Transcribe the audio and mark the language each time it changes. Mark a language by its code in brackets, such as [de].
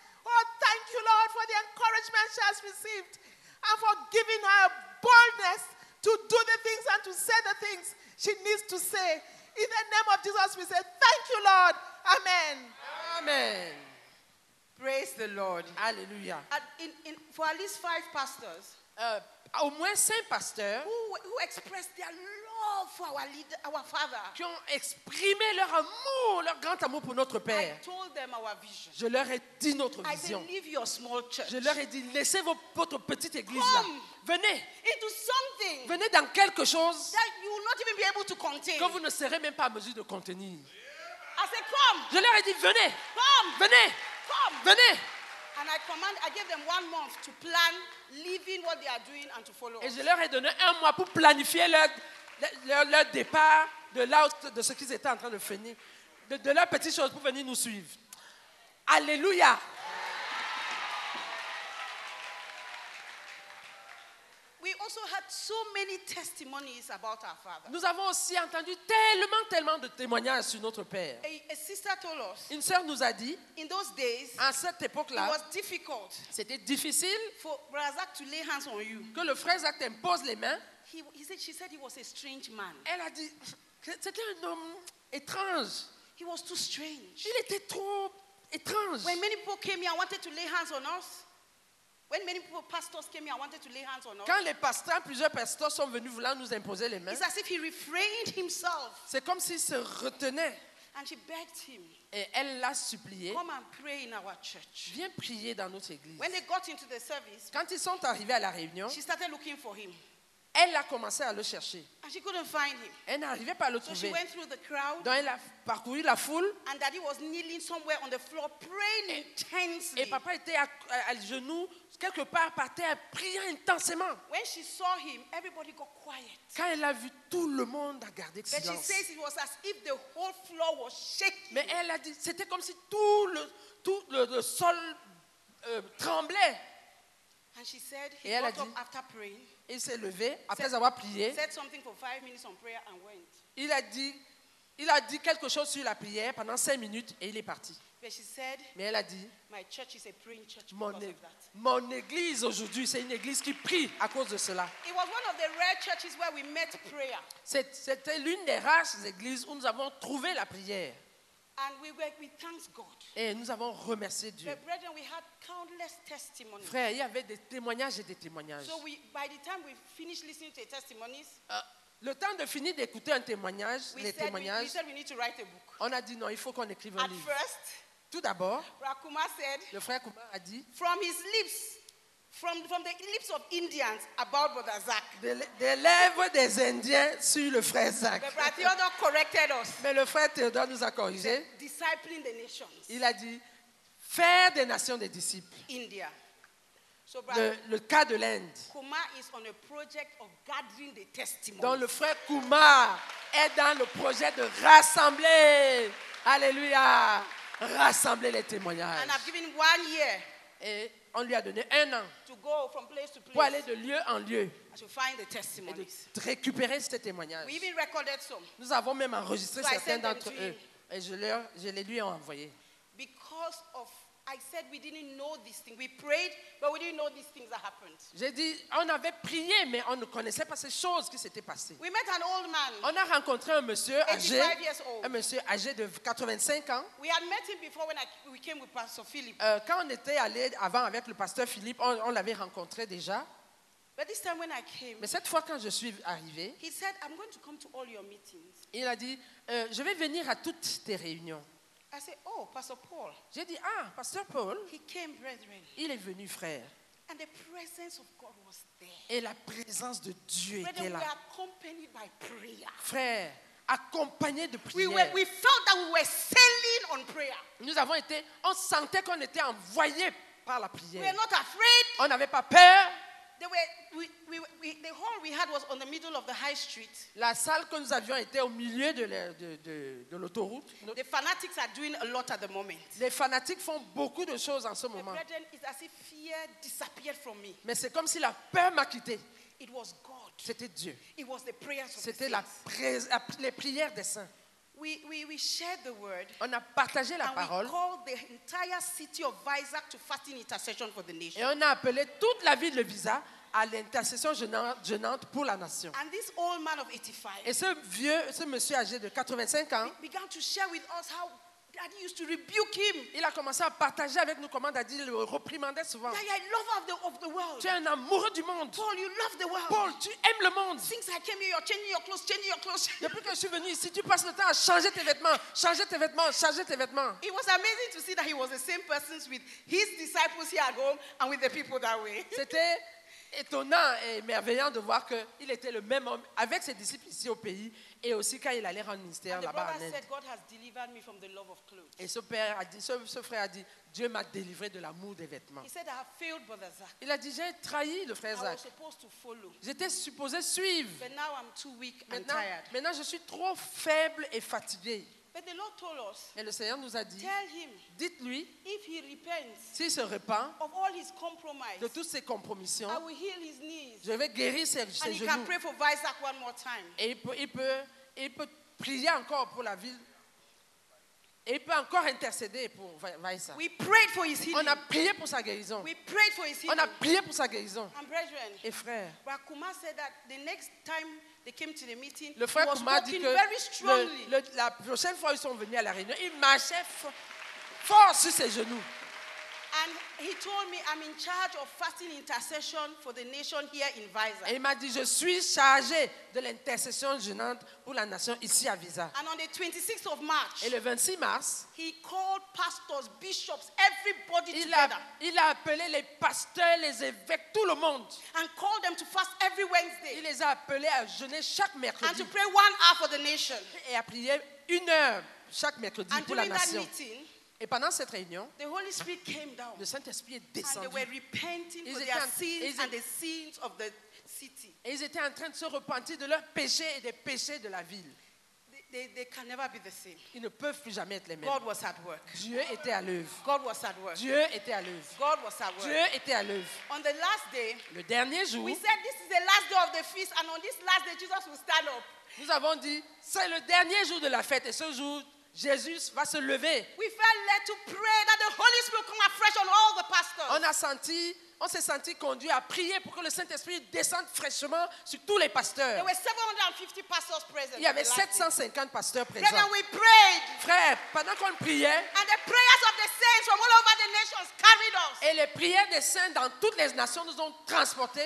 [en] Oh, thank you Lord for the encouragement she has received and for giving her boldness to do the things and to say the things she needs to say. In the name of Jesus, we say, thank you, Lord. Amen. Amen. Praise the Lord. Hallelujah. For at least five pastors, [fr] au moins cinq pasteurs, [en] who expressed their love for our leader, our father, [fr] qui ont exprimé leur amour, leur grand amour pour notre Père. [en] I told them our vision. [fr] Je leur ai dit notre [en] I [fr] vision. [en] Said, leave your small church. [fr] Je leur ai dit, laissez votre petite église là. Venez. [en] Into something [fr] venez dans quelque chose [en] that you will not even be able to contain. [fr] Que vous ne serez même pas à mesure de contenir. [en] I said, come. [fr] Je leur ai dit, venez. [en] Come. [fr] Venez. [en] Come. [fr] Venez. [en] And I gave them 1 month to plan leaving what they are doing and to follow. [fr] Et je leur ai donné un mois pour planifier leur départ de là où, de ce qu'ils étaient en train de finir, de leurs petites choses pour venir nous suivre. Alléluia. [en] So many testimonies about our father. [fr] Nous avons aussi entendu tellement de témoignages sur notre père. [en] A sister told us, [fr] une sœur nous a dit, [en] in those days, [fr] à cette époque-là, [en] it was difficult, [fr] c'était difficile [en] for Brother Zach to lay hands on you. [fr] Que le frère Zach t'impose les mains. [en] She said he was a strange man. [fr] Elle a dit, c'était un homme étrange. [en] He was too strange. [fr] Il était trop étrange. [en] When many people came here, I wanted to lay hands on us. When many people, pastors came here, I wanted to lay hands on us. [fr] Quand les pasteurs, plusieurs pasteurs sont venus voulant nous imposer les mains. [en] It's as if he refrained himself. [fr] C'est comme s'il se retenait. [en] And she begged him. [fr] Et elle l'a supplié. [en] Come and pray in our church. [fr] Viens prier dans notre église. [en] When they got into the service, [fr] quand ils sont arrivés à la réunion, [en] she started looking for him. [fr] Elle a commencé à le chercher. [en] And she couldn't find him. [fr] Elle n'arrivait pas à le trouver. [en] So she went through the crowd. [fr] Donc elle a parcouru la foule. [en] And daddy was kneeling somewhere on the floor praying intensely. [fr] Et papa était à genoux quelque part par terre priant intensément. [en] When she saw him, everybody got quiet. [fr] Quand elle a vu, tout le monde a gardé [en] But [fr] silence. [en] But she says it was as if the whole floor was shaking. [fr] Mais elle a dit, c'était comme si tout le sol tremblait. [en] And she said he got [fr] dit, [en] up after praying. [fr] Il s'est levé après avoir prié. [en] Said something for 5 minutes on prayer and went. [fr] Il a dit quelque chose sur la prière pendant 5 minutes et il est parti. [en] But she said, [fr] mais elle a dit, [en] my church is a praying church. [fr] Mon église aujourd'hui, c'est une église qui prie à cause de cela. [en] It was one of the rare churches where we met prayer. [fr] C'était l'une des rares églises où nous avons trouvé la prière. [en] And we thanked God. [fr] Et nous avons remercié Dieu. [en] But brethren, we had countless testimonies. [fr] Frère, il y avait des témoignages et des témoignages. [en] So by the time we finished listening to the testimonies, [fr] le temps de finir d'écouter un témoignage, [en] we need to write a book. [fr] On a dit non, il faut qu'on écrive un [en] At [fr] livre. [en] First, [fr] tout d'abord, [en] Rakuma said, [fr] le frère Kuma a dit, [en] from his lips, from the lips of Indians about Brother Zach. [fr] Des lèvres des Indiens sur le frère Zach. [en] But Brother Theodore corrected us. [fr] Mais le frère Theodore nous a corrigé. [en] Discipling the nations. [fr] Il a dit, faire des nations des disciples. [en] India. So, Brother, [fr] le cas de l'Inde. [en] Kuma is on a project of gathering the testimonies. [fr] Donc le frère Kuma est dans le projet de rassembler. Alléluia. Rassembler les témoignages. [en] And I've given 1 year. [fr] Et on lui a donné 1 an [en] to go from place to place [fr] pour aller de lieu en lieu [en] to find the testimonies. [fr] Et de récupérer ces témoignages. [en] We even recorded some. [fr] Nous avons même enregistré [en] so [fr] certains d'entre eux. Et je les lui ai envoyés. [en] Because of I said we didn't know this thing. We prayed, but we didn't know these things that happened. [fr] J'ai dit, on avait prié, mais on ne connaissait pas ces choses qui s'étaient passées. [en] We met an old man. [fr] On a rencontré un monsieur âgé. [en] 85 years old. [fr] Un monsieur âgé de 85 ans. [en] We had met him before when we came with Pastor Philippe. [fr] Quand on était allé avant avec le pasteur Philippe, on l'avait rencontré déjà. [en] But this time when I came. [fr] Mais cette fois quand je suis arrivé. [en] He said, I'm going to come to all your meetings. [fr] Il a dit, je vais venir à toutes tes réunions. [en] I said, oh, Pastor Paul. [fr] J'ai dit, ah, Pasteur Paul. [en] He came, brethren. [fr] Il est venu, frère. [en] And the presence of God was there. [fr] Et la présence de Dieu [en] brethren, [fr] était là. [en] We were accompanied by prayer. [fr] Frère, accompagné de prière. [en] We felt that we were sailing on prayer. [fr] Nous avons été, on sentait qu'on était envoyé par la prière. [en] We were not afraid. [fr] On n'avait pas peur. [en] The hall we had was on the middle of the high street. [fr] La salle que nous avions était au milieu de l'autoroute. [en] The fanatics are doing a lot at the moment. [fr] Les fanatiques font beaucoup de choses en ce moment. [en] The burden is as if fear disappeared from me. [fr] Mais c'est comme si la peur m'a quitté. [en] It was God. [fr] C'était Dieu. [en] It was the prayers of the saints. [fr] C'était les prières des saints. [en] We shared the word. [fr] On a partagé la [en] and [fr] parole. [en] We called the entire city of Vizag to fasting intercession for the nation. [fr] Et on a appelé toute la ville de Vizag à l'intercession jeûnante pour la nation. [en] And this old man of 85. [fr] Et ce monsieur âgé de 85 ans. [en] Began to share with us how daddy used to rebuke him. [fr] Il a commencé à partager avec nous comment daddy le réprimandait souvent. [en] Yeah, love of the world. [fr] Tu es un amoureux du monde. [en] Paul, you love the world. [fr] Paul, tu aimes le monde. [en] Since I came here, you're changing your clothes, changing your clothes. [fr] Depuis que je suis venu ici, tu passes le temps à changer tes vêtements, changer tes vêtements, changer tes vêtements. [en] It was amazing to see that he was the same person with his disciples here at home and with the people that way. [fr] C'était étonnant et merveilleux de voir qu'il était le même homme avec ses disciples ici au pays et aussi quand il allait rendre ministère là-bas en Inde. Et ce frère a dit, Dieu m'a délivré de l'amour des vêtements. [en] He said, I have failed, Brother Zach. [fr] Il a dit, j'ai trahi le frère Zach. [en] I was supposed to follow. [fr] J'étais supposé suivre. [en] But now I'm too weak [fr] maintenant, [en] and tired. [fr] Maintenant, je suis trop faible et fatigué. [en] But the Lord told us, [fr] mais le Seigneur nous a dit, [en] tell him, [fr] dites-lui, [en] if he repents, [fr] s'il se repent [en] of all his compromise, [fr] de toutes ses compromissions, [en] I will heal his knees, [fr] je vais guérir ses [en] and [fr] genoux. [en] He can pray for Isaac one more time. [fr] Et il peut prier encore pour la ville. Et il peut encore intercéder pour Vaïssa. [en] We prayed for his healing. [fr] On a prié pour sa guérison. [en] We prayed for his healing. [fr] On a prié pour sa guérison. [en] And brethren, [fr] et frère. [en] But Kuma said that the next time they came to the meeting, [fr] le frère Kuma dit que [en] very strongly. [fr] La prochaine fois ils sont venus à la réunion, il marchait fort sur ses genoux. [en] And he told me, I'm in charge of fasting intercession for the nation here in Visa. [fr] Et il m'a dit, je suis chargé de l'intercession jeûnante pour la nation ici à Visa. [en] And on the 26th of March, [fr] et le 26 mars, [en] he called pastors, bishops, everybody [fr] Il a appelé les pasteurs, les évêques, tout le monde. [en] And called them to fast every Wednesday. [fr] Il les a appelés à jeûner chaque mercredi. [en] And to pray 1 hour for the nation. [fr] Et à prier une heure chaque mercredi [en] and [fr] pour la nation. [en] That meeting, [fr] et pendant cette réunion, [en] the Holy Spirit came down, [fr] le Saint-Esprit est descendu. [en] And they were repenting for their sins and the sins of the city. [fr] Et ils étaient en train de se repentir de leurs péchés et des péchés de la ville. [en] They can never be the same. [fr] Ils ne peuvent plus jamais être les mêmes. [en] God was at work. [fr] Dieu était à l'œuvre. [en] God was at work. [fr] Dieu était à l'œuvre. [en] God was at work. [fr] Dieu était à l'œuvre. [en] On the last day, [fr] le dernier jour, [en] we said this is the last day of the feast, and on this last day, Jesus will stand up. [fr] Nous avons dit, c'est le dernier jour de la fête, et ce jour, Jésus va se lever. [en] We felt led to pray that the Holy Spirit come afresh on all the pastors. [fr] On s'est senti conduit à prier pour que le Saint-Esprit descende fraîchement sur tous les pasteurs. [en] There were 750 pastors present. [fr] Il y avait 750 pasteurs présents. [en] Then we prayed. [fr] Frère, pendant qu'on priait, [en] and the prayers of the saints from all over the nations carried us. [fr] Et les prières des saints dans toutes les nations nous ont transportés.